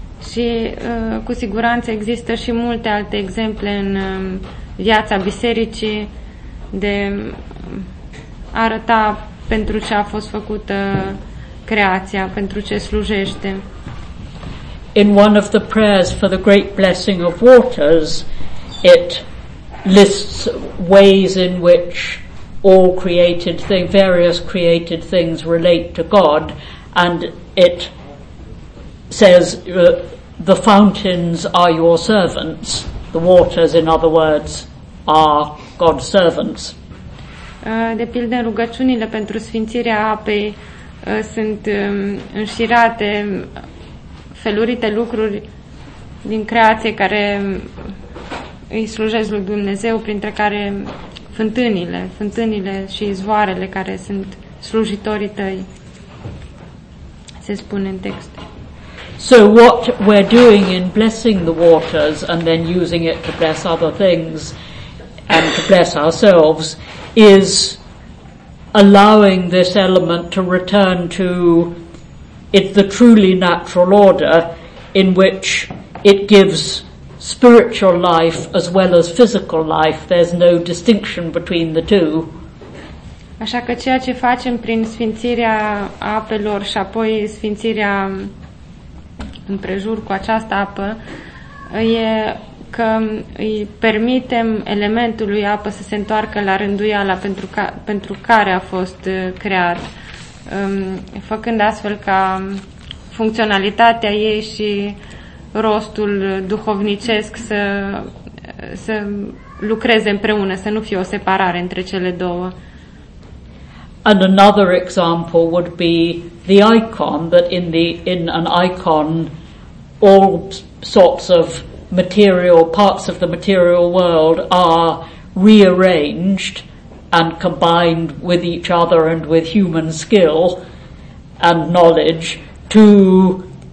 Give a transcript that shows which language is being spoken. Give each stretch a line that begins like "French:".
Romanian: Și cu siguranță există și multe alte exemple în viața bisericii de arăta pentru ce a fost făcută creația, pentru ce slujește.
English: In one of the prayers for the great blessing of waters, it lists ways in which all created things, various created things, relate to God, and it says the fountains are your servants. The waters, in other words, are God's servants.
Romanian: De pildă, rugăciunile pentru sfințirea apei sunt înșirate felurite lucruri din creație care îi slujesc lui Dumnezeu, printre care fântânile și izvoarele care sunt slujitorii tăi, se spune în text.
English: So what we're doing in blessing the waters and then using it to bless other things and to bless ourselves is allowing this element to return to it's the truly natural order in which it gives spiritual life as well as physical life. There's no distinction between the two.
Romanian: Așa că ceea ce facem prin sfințirea apelor și apoi sfințirea împrejur cu această apă e că îi permitem elementului apă să se întoarcă la rânduiala pentru care a fost creat, făcând astfel ca funcționalitatea ei și rostul duhovnicesc să lucreze împreună, să nu fie o separare între cele două.
English: And another example would be the icon, that in an icon all sorts of material parts of the material world are rearranged and combined with each other and with human skill and knowledge to